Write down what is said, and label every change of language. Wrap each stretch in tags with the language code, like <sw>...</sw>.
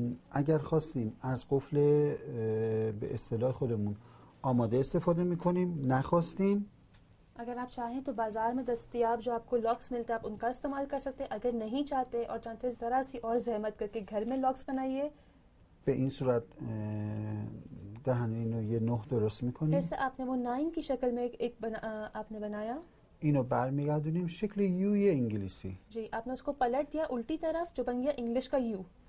<fa>اگر خواستیم از قفل به اصطلاح خودمون آماده استفاده میکنیم، نخواستیم،</fa> <ur>اگر آپ چاہیں تو بازار میں دستیاب جو آپ کو لاکس ملتا ہے آپ ان کا استعمال کر سکتے ہیں، اگر نہیں چاہتے اور چاہتے ذرا سی اور زحمت کر کے گھر میں لاکس بنائیے.</ur> <fa>به این صورت دهن اینو یه نه درست میکنیم،</fa> <ur>جیسے آپ نے وہ نائن کی شکل میں ایک بنا آپ نے بنایا،</ur> <fa>اینو برمیگردونیم شکل یو یا انگلیسی.</fa> <ur>جی، آپ نے اس کو پلٹ دیا الٹی طرف جو بن گیا انگلش کا یو.</ur>